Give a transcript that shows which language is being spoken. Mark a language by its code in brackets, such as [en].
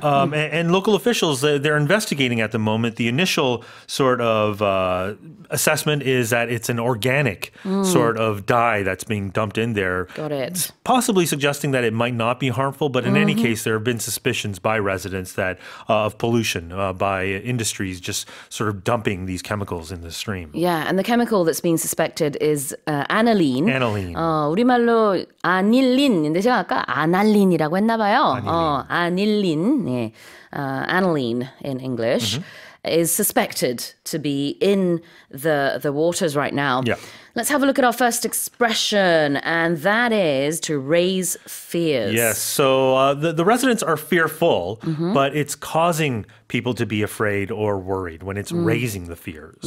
[en] And local officials, they're investigating at the moment. The initial sort of assessment is that it's an organic sort of dye that's being dumped in there. Got it. Possibly suggesting that it might not be harmful, but in any case, there have been suspicions by residents that of pollution by industries just sort of dumping these chemicals in the stream. Yeah, and the chemical that's being suspected is aniline. Aniline. [ko] 우리말로 아닐린인데 제가 아까 아날린이라고 했나 봐요. 아닐린. 예. [en] Aniline in English. Mm-hmm. is suspected to be in the waters right now. Yeah. Let's have a look at our first expression, and that is to raise fears. Yes, so the residents are fearful, mm-hmm. but it's causing people to be afraid or worried when it's raising the fears.